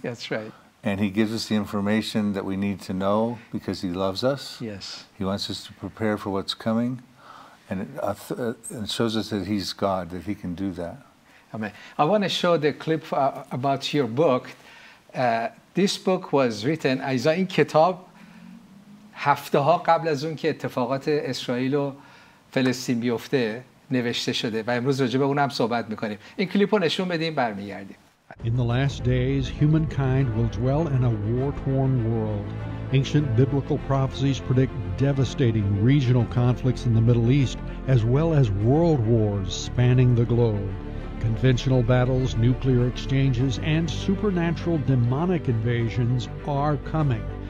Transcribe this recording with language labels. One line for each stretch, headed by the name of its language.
English: That's right. And He gives us the information that we need to know because He loves us. Yes. He wants us to prepare for what's coming. And it shows us that He's God, that He can do that. Amen. I want to show the clip about your book. This book was written,
Persian: ایزا این کتاب هفته ها قبل از اون که اتفاقات اسرائیل و فلسطین بیفته نوشته شده و امروز راجع به اون هم صحبت میکنیم. این کلیپ رو نشون بدیم برمیگردیم.
English: In the last days, humankind will dwell in a war-torn world. Ancient biblical prophecies predict devastating regional conflicts in the Middle East, as well as world wars spanning the globe. Conventional battles, nuclear exchanges, and supernatural demonic invasions are coming.